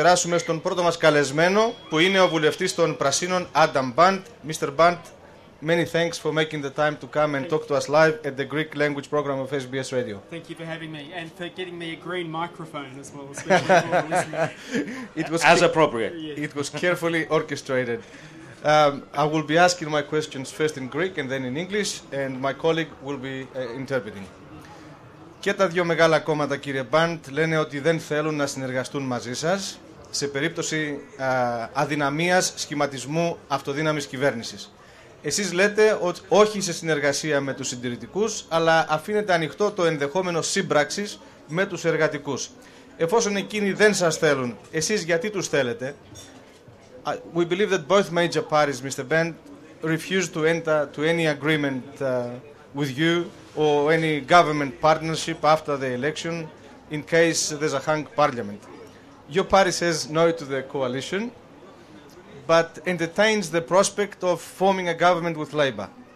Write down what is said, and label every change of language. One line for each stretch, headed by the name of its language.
Greek: Περάσουμε στον πρώτο μας καλεσμένο, που είναι ο βουλευτής των Πρασίνων, Adam Bandt.
English: Mr. Bandt, many thanks for making the time to come and talk to us live at the Greek language program of SBS Radio. Thank you for having me and for getting me a green microphone as well. It was as appropriate. It was carefully orchestrated. I will be asking my questions first in Greek and then in English, and my colleague will be interpreting.
Greek: Και τα δύο μεγάλα κόμματα, κύριε Bandt, λένε ότι δεν θέλουν να συνεργαστούν μαζί σας σε περίπτωση αδυναμίας σχηματισμού αυτοδύναμης κυβέρνησης. Εσείς λέτε ότι όχι σε συνεργασία με τους συντηρητικούς, αλλά αφήνετε ανοιχτό το ενδεχόμενο σύμπραξης με τους εργατικούς. Εφόσον εκείνοι δεν σας θέλουν, εσείς γιατί τους θέλετε?
English: We believe that both major parties, Mr. Bandt, refuse to enter to any agreement with you or any government partnership after the election in case there's a hung parliament. Your party says no to the coalition, but entertains the prospect of forming a government with Labour.